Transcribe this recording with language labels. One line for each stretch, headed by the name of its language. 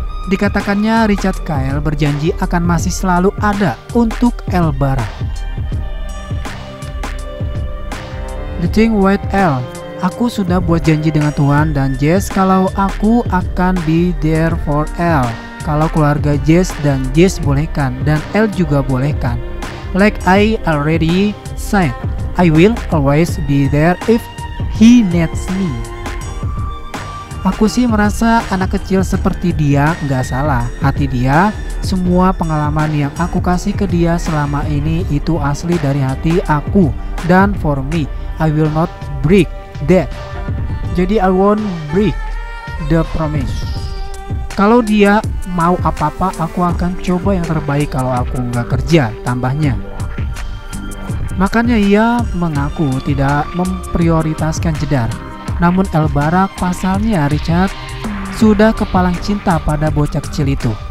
Indonesian: Dikatakannya Richard Kell berjanji akan masih selalu ada untuk El Bara.
English: The thing with El,
Indonesian: aku sudah buat janji dengan Tuhan dan Jess kalau aku akan
English: be there for El.
Indonesian: Kalau keluarga Jess dan Jess bolehkan dan El juga bolehkan.
English: Like I already said, I will always be there if he needs me.
Indonesian: Aku sih merasa anak kecil seperti dia nggak salah. Hati dia, semua pengalaman yang aku kasih ke dia selama ini itu asli dari hati aku.
English: Dan for me, I will not break that. Jadi I won't break the promise.
Indonesian: Kalau dia mau apa-apa, aku akan coba yang terbaik kalau aku nggak kerja, tambahnya. Makanya ia mengaku tidak memprioritaskan jedar. Namun El Bara pasalnya Richard sudah kepalang cinta pada bocah kecil itu.